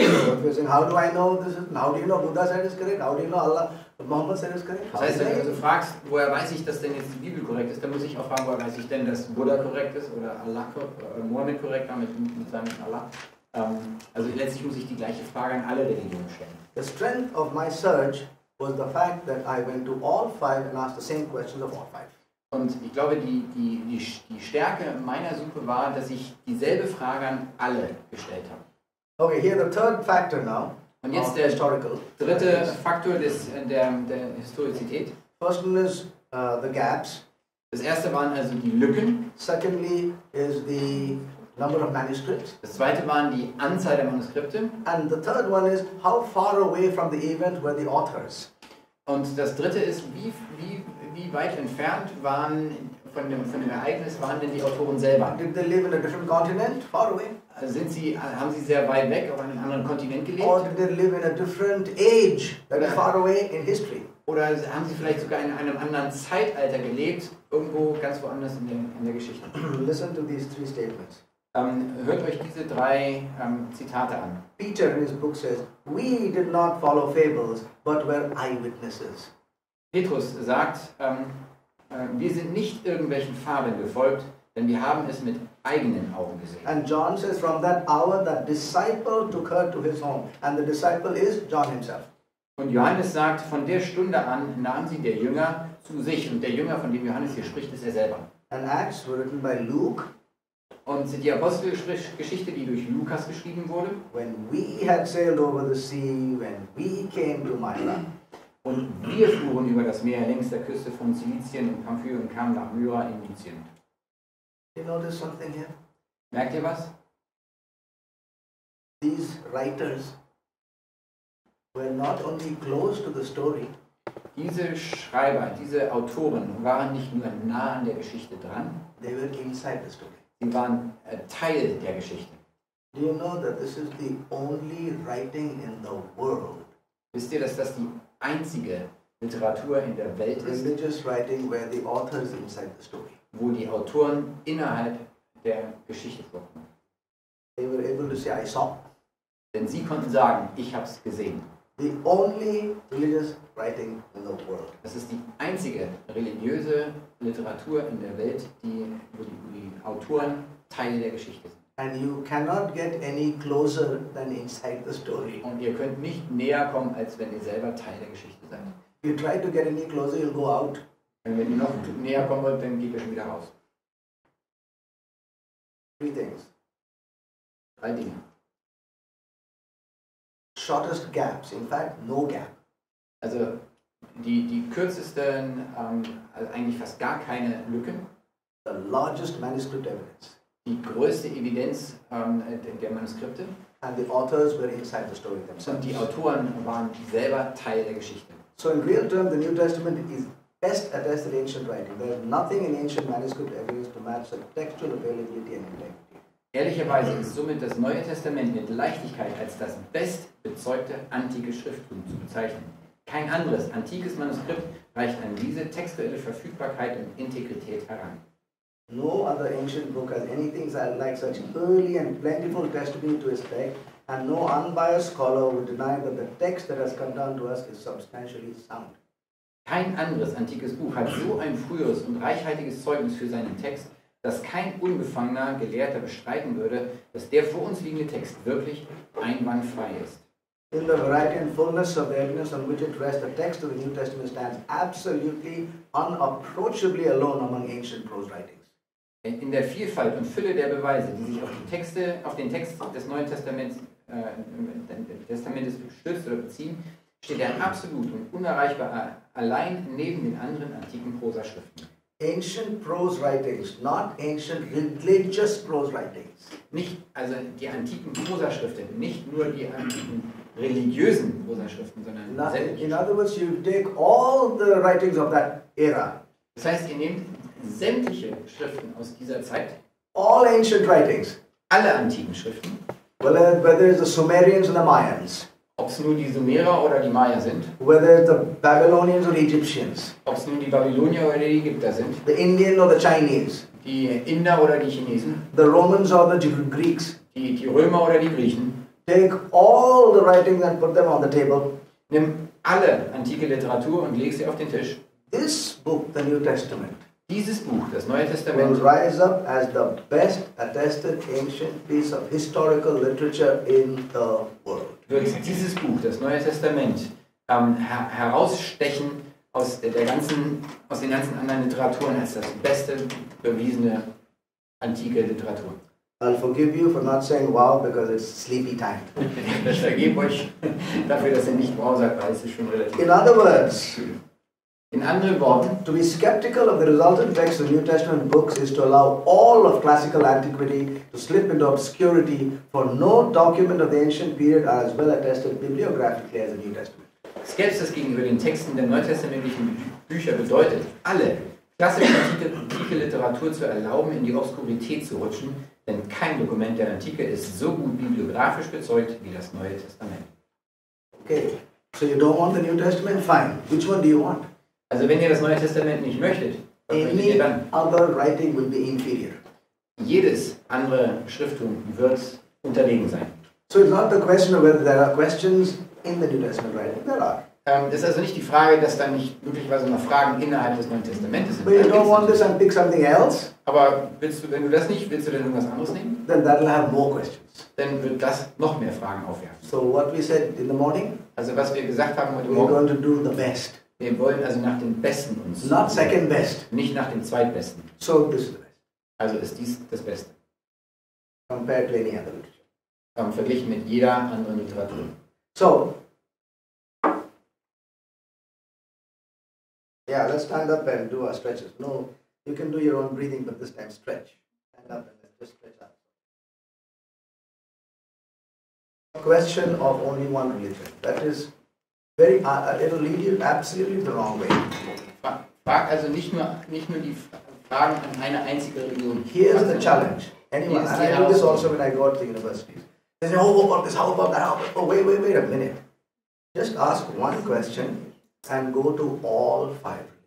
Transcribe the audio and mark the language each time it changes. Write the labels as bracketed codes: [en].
[en] If you're saying, how do I know this is, how do you know Buddha said it's correct? How do you know Allah, Muhammad said it's correct? [de] Das heißt, wenn du also fragst, woher weiß ich, dass denn jetzt die Bibel korrekt ist, dann muss ich auch fragen, woher weiß ich denn, dass Buddha korrekt ist oder Allah oder Mohammed korrekt war mit seinem Allah. Also letztlich muss ich die gleiche Frage an alle Religionen stellen. [en] The strength of my search was the fact that I went to all five and asked the same questions of all five. [de] Und ich glaube, die Stärke meiner Suche war, dass ich dieselbe Frage an alle gestellt habe. [en] Okay, here the third factor now. [de] Und jetzt der historical dritte Faktor der Historizität. [en] First one is the gaps. [de] Das erste waren also die Lücken. [en] Secondly is the number of manuscripts. [de] Das zweite waren die Anzahl der Manuskripte. [en] And the third one is how far away from the event were the authors. [de] Und das dritte ist, wie weit entfernt waren von dem Ereignis waren denn die Autoren selber? [en] Did they live in a different continent, far away? [de] Haben sie sehr weit weg auf einem anderen Kontinent gelebt? [en] Or did they live in a different age, that is far away in history? [de] Oder haben sie vielleicht sogar in einem anderen Zeitalter gelebt, irgendwo ganz woanders in der Geschichte? [en] Listen to these three statements. [de] Hört euch diese drei Zitate an. [en] Peter in his book says, we did not follow fables, but were eyewitnesses. [de] Petrus sagt, wir sind nicht irgendwelchen Fabeln gefolgt, denn wir haben es mit eigenen Augen gesehen. [en] And John says, from that hour that disciple took her to his home. And the disciple is John himself. [de] Und Johannes sagt, von der Stunde an nahm sie der Jünger zu sich. Und der Jünger, von dem Johannes hier spricht, ist er selber. [en] And Acts were written by Luke. [de] Und die Apostelgeschichte, die durch Lukas geschrieben wurde. [en] When we had sailed over the sea, when we came to Myra. [de] Und wir fuhren über das Meer längs der Küste von Cilicien und Pamphylien und kamen nach Myra in Lycien. [en] You notice something here? [de] Merkt ihr was? [en] These writers were not only close to the story. [de] Diese Schreiber, diese Autoren waren nicht nur nah an der Geschichte dran. [en] They were inside the story. [de] Sie waren Teil der Geschichte. [en] Do you know that this is the only writing in the world? [de] Wisst ihr, dass das die einzige Literatur in der Welt ist, [en] religious writing where the authors inside the story. [de] Wo die Autoren innerhalb der Geschichte wurden. [en] They were able to say, I saw. [de] Denn sie konnten sagen, ich habe es gesehen. [en] The only religious writing in the world. [de] Das ist die einzige religiöse Literatur in der Welt, wo die Autoren Teil der Geschichte sind. [en] And you cannot get any closer than inside the story. [de] Und ihr könnt nicht näher kommen, als wenn ihr selber Teil der Geschichte seid. [en] If you try to get any closer, you'll go out. [de] Und wenn ihr noch näher kommen wollt, dann geht ihr schon wieder raus. [en] Three things. [de] Drei Dinge. [en] Shortest gaps, in fact, no gap. [de] Also die kürzesten, also eigentlich fast gar keine Lücken. [en] The largest manuscript evidence. [de] Die größte Evidenz der Manuskripte. [en] And the authors were inside the story themselves. [de] Und die Autoren waren selber Teil der Geschichte. [en] So in real term, the New Testament is best attested ancient writing. There is nothing in ancient manuscript evidence to match the textual availability and integrity. [de] Ehrlicherweise ist somit das Neue Testament mit Leichtigkeit als das best bezeugte antike Schrifttum zu bezeichnen. Kein anderes antikes Manuskript reicht an diese textuelle Verfügbarkeit und Integrität heran. [en] No other ancient book has anything like such early and plentiful testimony to its text, and no unbiased scholar would deny that the text that has come down to us is substantially sound. [de] Kein anderes antikes Buch hat so ein frühes und reichhaltiges Zeugnis für seinen Text, dass kein unbefangener Gelehrter bestreiten würde, dass der vor uns liegende Text wirklich einwandfrei ist. [en] In the variety and fullness of evidence on which it rests, the text of the New Testament stands absolutely, unapproachably alone among ancient prose writings. [de] In der Vielfalt und Fülle der Beweise, die sich auf den Text des Neuen Testaments stützt oder beziehen, steht er absolut und unerreichbar allein neben den anderen antiken Prosaschriften. [en] Ancient prose writings, not ancient religious prose writings. [de] Nicht, also die antiken Prosaschriften, nicht nur die antiken religiösen Prosaschriften, sondern [en] in other words, you take all the writings of that era. [de] Das heißt, ihr nehmt sämtliche Schriften aus dieser Zeit. [en] All ancient writings. [de] Alle antiken Schriften. [en] Whether it's the Sumerians or the Mayans. [de] Ob es nun die Sumerer oder die Maya sind. [en] Whether it's the Babylonians or the Egyptians. [de] Ob es nun die Babylonier oder die Ägypter sind. [en] The Indian or the Chinese. [de] Die Inder oder die Chinesen. [en] The Romans or the Greeks. [de] Die Römer oder die Griechen. [en] take all the writings and put them on the table. [de] Nimm alle antike Literatur und leg sie auf den Tisch. [en] This book, the New Testament. [de] Dieses Buch, das Neue Testament, [en] will rise up as the best attested ancient piece of historical literature in the world. [de] Wird dieses Buch, das Neue Testament, herausstechen aus der ganzen, aus den ganzen anderen Literaturen als das beste bewiesene antike Literatur. [en] I'll forgive you for not saying wow because it's sleepy time. [de] Ich vergebe euch dafür, dass ihr nicht wow sagt, weil es ist schon relativ. [en] In other words. [de] In anderen Worten, [en] to be skeptical of the resultant text of New Testament books is to allow all of classical antiquity to slip into obscurity, for no document of the ancient period are as well attested bibliographically as the New Testament. [de] Skepsis gegenüber den Texten der neutestamentlichen Bücher bedeutet, alle klassische antike Literatur zu erlauben, in die Obskurität zu rutschen, denn kein Dokument der Antike ist so gut bibliografisch bezeugt wie das Neue Testament. [en] Okay, so you don't want the New Testament? Fine. Which one do you want? [de] Also wenn ihr das Neue Testament nicht möchtet, [en] any other writing will be inferior. [de] Jedes andere Schrifttum wird unterlegen sein. [en] So it's not the question of whether there are questions in the New Testament writing. There are. [de] Ist also nicht die Frage, dass da nicht möglicherweise noch Fragen innerhalb des Neuen Testamentes sind. [en] But you don't want this and pick something else. [de] Aber willst du, wenn du das nicht, willst du denn irgendwas anderes nehmen? [en] Then that'll have more questions. [de] Dann wird das noch mehr Fragen aufwerfen. [en] So what we said in the morning? [de] Also was wir gesagt haben heute [en] we're [de] Morgen. [en] We're going to do the best. [de] Wir wollen also nach den Besten uns. [en] Not second best. [de] Nicht nach den Zweitbesten. [en] So this is the best. [de] Also ist dies das Beste. [en] Compared to any other literature. [de] Verglichen mit jeder anderen Literatur. [en] So. Yeah, let's stand up and do our stretches. No, you can do your own breathing, but this time stretch. Stand up and let's just stretch out. Question of only one religion. That is very, it'll lead you absolutely the wrong way. [de] Frag also nicht nur die Fragen an eine einzige Religion. [en] Here's the challenge. Anyone, and I do this also when I go out to the universities. They say, oh, what about this? How about that? How about, oh, wait a minute. Just ask one question and go to all five.